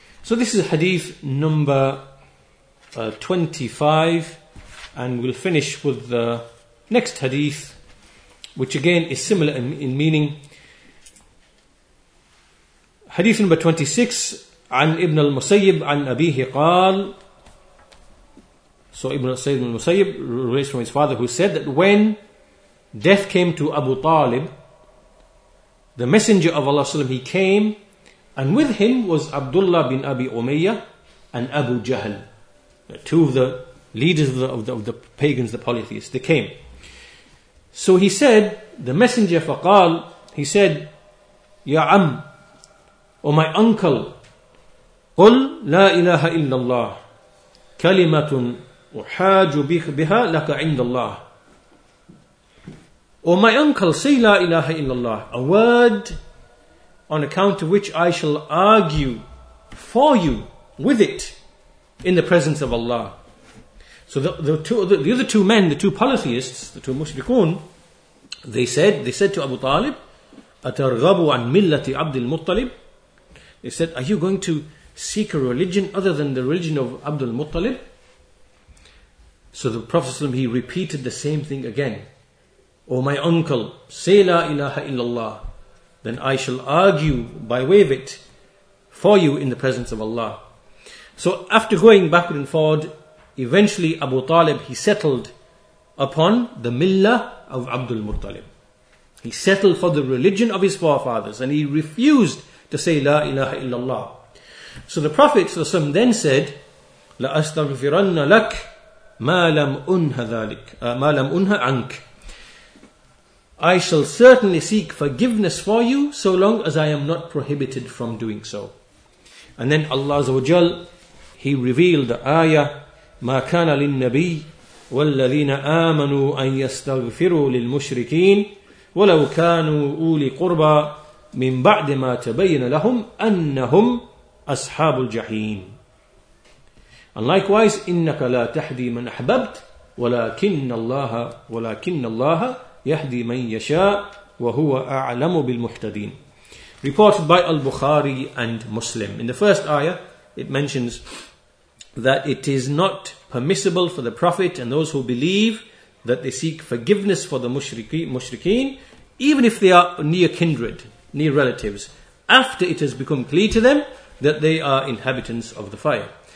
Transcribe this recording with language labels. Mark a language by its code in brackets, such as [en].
[en] So this is hadith number 25, and we'll finish with the next hadith, which again is similar in meaning. Hadith number 26, [ar] عن ابن المسيب عن أبيه قال. [en] So Ibn Sayyid al-Musayyib relates from his father, who said that when death came to Abu Talib, the Messenger of Allah, he came, and with him was Abdullah bin Abi Umayyah and Abu Jahl, two of the leaders of the pagans, the polytheists. They came. So he said, the Messenger, [ar] فقال, [en] he said, [ar] يا عم, [en] O my uncle, [ar] قل لا إله إلا الله كلمة أحاج بها لك عند الله. [en] O my uncle, say [ar] لا إله إلا الله, [en] a word on account of which I shall argue for you with it in the presence of Allah. So the other two polytheists, the two mushrikun, they said to Abu Talib, [ar] أترغبوا عن ملة عبد المطلب. [en] They said, are you going to seek a religion other than the religion of Abdul Muttalib? So the Prophet ﷺ, he repeated the same thing again. O my uncle, say [ar] la ilaha illallah. [en] Then I shall argue by way of it for you in the presence of Allah. So after going backward and forward, eventually Abu Talib, he settled upon the millah of Abdul Muttalib. He settled for the religion of his forefathers, and he refused to say [ar] la ilaha illallah. [en] So the Prophet ﷺ then said, [ar] لا أستغفرن لك ما لم أنه ذلك ما لم أنه عنك. [en] I shall certainly seek forgiveness for you so long as I am not prohibited from doing so. And then Allah Azza wa Jal, He revealed the ayah, [ar] ما كان للنبي والذين آمنوا أن يستغفروا للمشركين ولو كانوا أولي قربى من بعد ما تبين لهم أنهم أصحاب الجحيم. [en] And likewise, [ar] إنك لا تهدي من أحببت ولكن الله يهدي من يشاء وهو أعلم بالمهتدين. [en] Reported by Al-Bukhari and Muslim. In the first ayah, it mentions that it is not permissible for the Prophet and those who believe that they seek forgiveness for the mushrikeen, even if they are near relatives, after it has become clear to them that they are inhabitants of the fire.